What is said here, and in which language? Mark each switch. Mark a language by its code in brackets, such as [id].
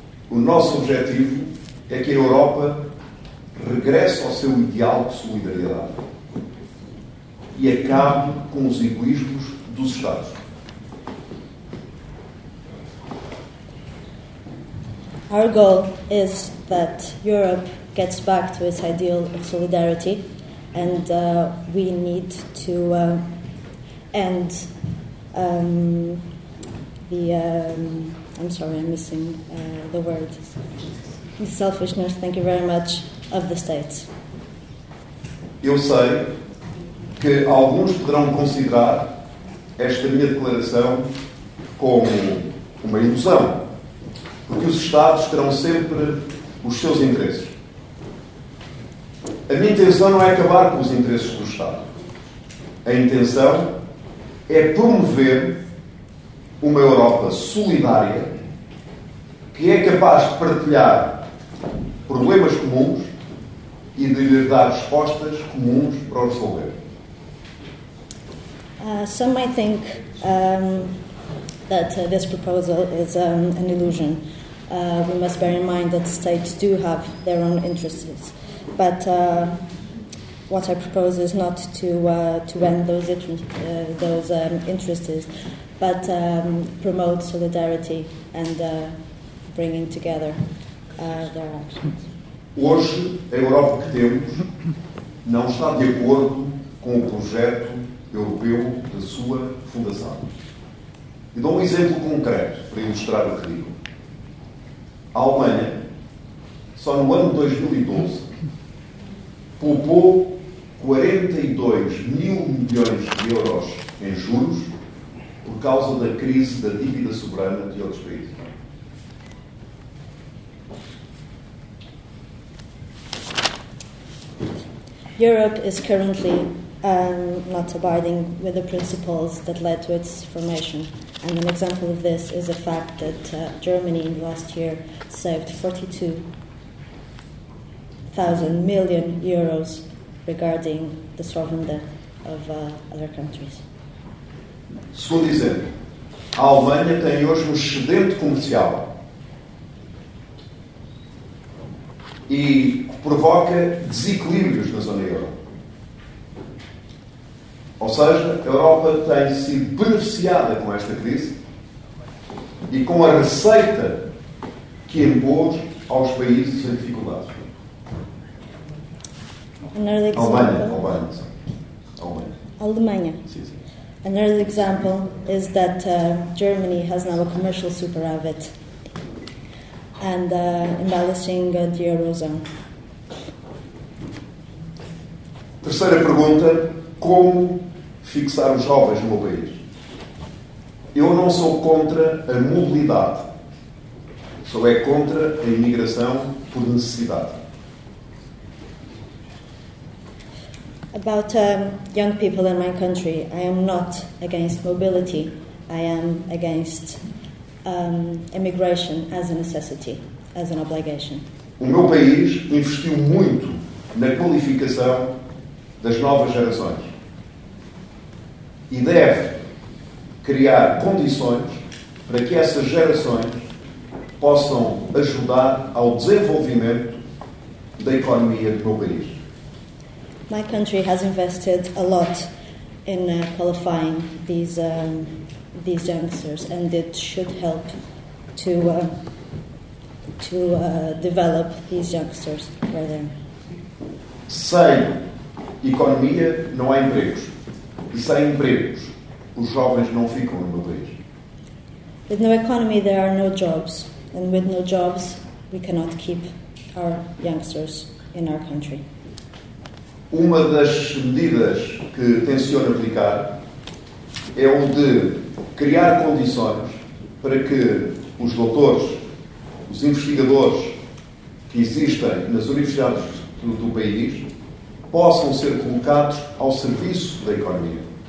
[pt] O nosso objetivo é que a Europa regresse ao seu ideal de solidariedade e acabe com os egoísmos dos Estados. [en] Our goal is that Europe gets back to its ideal of solidarity, and we need to end the. I'm sorry, I'm missing the word. The selfishness, thank you very much, of the states. [pt] Eu sei que alguns poderão considerar esta minha declaração como uma ilusão. Porque os Estados terão sempre os seus interesses. A minha intenção não é acabar com os interesses do Estado. A intenção é promover uma Europa solidária que é capaz de partilhar problemas comuns e de lhe dar respostas comuns para os resolver. [en] Some might think that this proposal is an illusion. We must bear in mind that states do have their own interests, but what I propose is not to to end those interests, but promote solidarity and bringing together their actions. [pt] Hoje, a Europa que temos não está de acordo com o projeto europeu da sua fundação. E dou um exemplo concreto para ilustrar o que digo. A Alemanha, só no ano de 2012, poupou 42 mil milhões de euros em juros por causa da crise da dívida soberana de outros países. [en] Europe is currently not abiding with the principles that led to its formation. And an example of this is the fact that Germany in the last year saved 42,000 million euros regarding the sovereign debt of other countries. [pt] Segundo exemplo, a Alemanha tem hoje excedente comercial e provoca desequilíbrios na zona euro. Ou seja, a Europa tem sido beneficiada com esta crise e com a receita que impôs aos países em dificuldades. Alemanha. [en] Another example is that Germany has now a commercial superávit and embellishing the Eurozone. [pt] Terceira pergunta, como fixar os jovens no meu país? Eu não sou contra a mobilidade, só é contra a imigração por necessidade. [en] About young people in my country, I am not against mobility, I am against immigration as a necessity, as an obligation. [pt] O meu país investiu muito na qualificação das novas gerações e deve criar condições para que essas gerações possam ajudar ao desenvolvimento da economia do meu país. [en] My country has invested a lot in qualifying these youngsters, and it should help to develop these youngsters further. [pt] Sem economia não há empregos. E sem empregos, os jovens não ficam no meu país. [en] With no economy, there are no jobs. And with no jobs, we cannot keep our youngsters in our country. [pt] Uma das medidas que tenciono aplicar é o de criar condições para que os doutores, os investigadores que existem nas universidades do país possam ser colocados ao serviço da economia.